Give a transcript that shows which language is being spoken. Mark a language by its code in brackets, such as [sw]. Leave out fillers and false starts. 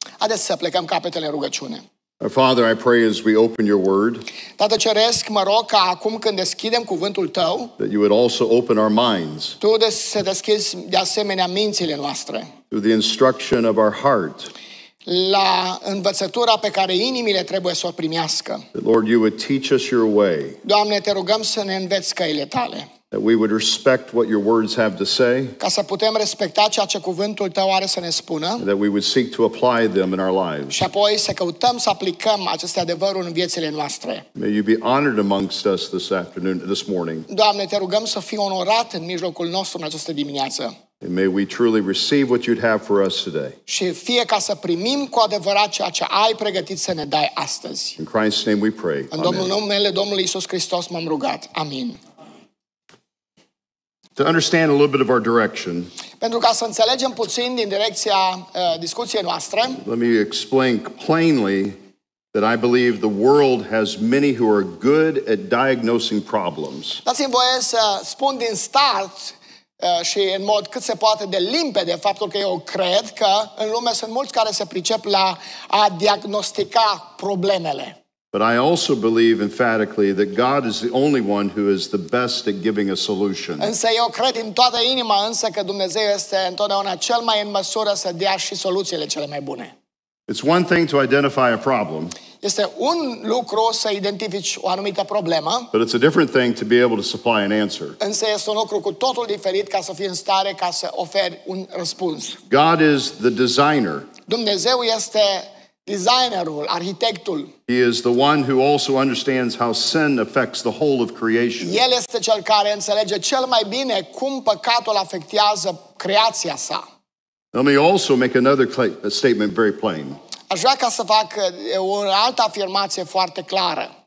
[ro] Haideți să plecăm capetele în rugăciune. [en] Father, I pray as we open your word. [ro] Tată ceresc, mă rog ca acum când deschidem cuvântul tău, [en] that you would also open our minds. [ro] Tu să deschizi de asemenea mințile noastre. [en] To the instruction of our heart. [ro] La învățătura pe care inimile trebuie să o primească. [en] Lord, you would teach us your way. [ro] Doamne, te rugăm să ne înveți căile tale. [en] That we would respect what your words have to say. [ro] Ca să putem respecta ceea ce cuvântul tău are să ne spună. [en] That we would seek to apply them in our lives. [ro] Și apoi să căutăm să aplicăm aceste adevăruri în viețile noastre. [en] May you be honored amongst us this afternoon, this morning. [ro] Doamne, te rugăm să fii onorat în mijlocul nostru în această dimineață. [en] And may we truly receive what you'd have for us today. [ro] Și fie ca să primim cu adevărat ceea ce ai pregătit să ne dai astăzi. [en] In Christ's name we pray. [ro] În numele Domnului Iisus Hristos m-am rugat. Amin. [en] To understand a little bit of our direction. [ro] Pentru ca să înțelegem puțin din direcția discuției noastre. [en] Let me explain plainly that I believe the world has many who are good at diagnosing problems. [ro] Dați-mi voie să spun din start și în mod cât se poate de limpede faptul că eu cred că în lume sunt mulți care se pricep la a diagnostica problemele. [en] But I also believe emphatically that God is the only one who is the best at giving a solution. [ro] Însă eu cred în toată inima însă că Dumnezeu este întotdeauna cel mai în măsură să dea și soluțiile cele mai bune. [en] It's one thing to identify a problem. [ro] Este un lucru să identifici o anumită problemă. [en] But it's a different thing to be able to supply an answer. [ro] Însă este un lucru cu totul diferit ca să fii în stare ca să oferi un răspuns. [en] God is the designer. [ro] Dumnezeu este designerul, arhitectul. [en] He is the one who also understands how sin affects the whole of creation. [ro] El este cel care înțelege cel mai bine cum păcatul afectează creația sa. [en] Let me also make another statement very plain. [ro] Aș vrea ca să fac o altă afirmație foarte clară.